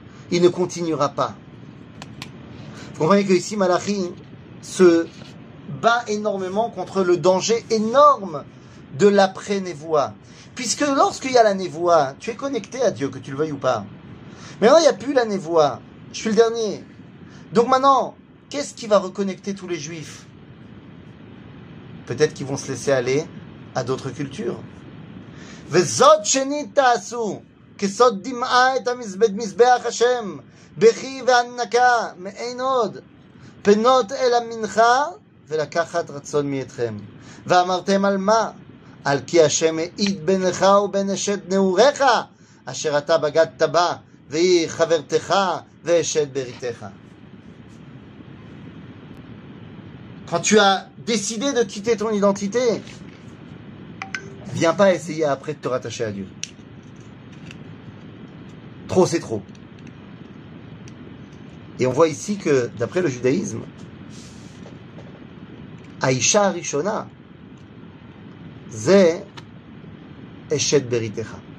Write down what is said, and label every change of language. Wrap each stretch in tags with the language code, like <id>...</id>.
<fr>Il ne continuera pas. Vous comprenez que ici, Malachi se bat énormément contre le danger énorme de l'après-névoie. Puisque lorsqu'il y a la névoie, tu es connecté à Dieu, que tu le veuilles ou pas. Mais là, il n'y a plus la névoie. Je suis le dernier. Donc maintenant, qu'est-ce qui va reconnecter tous les Juifs? Peut-être qu'ils vont se laisser aller à d'autres cultures.</fr> <he>וזאת שנית תעשו, כסוד דמעה את מזבח השם, בכי והנקה, מעין עוד, פנות אל המנחה, ולקחת רצון מאתכם. ואמרתם על מה? על כי השם העיד בינך ובין אשת נעוריך, אשר אתה בגדת בה, והיא חברתך ואשת בריתך.</he> <fr>Quand tu as décidé de quitter ton identité, viens pas essayer après de te rattacher à Dieu. Trop, c'est trop. Et on voit ici que, d'après le judaïsme,</fr> <he>Aïcha Rishona, Ze Eshet Beritecha.</he>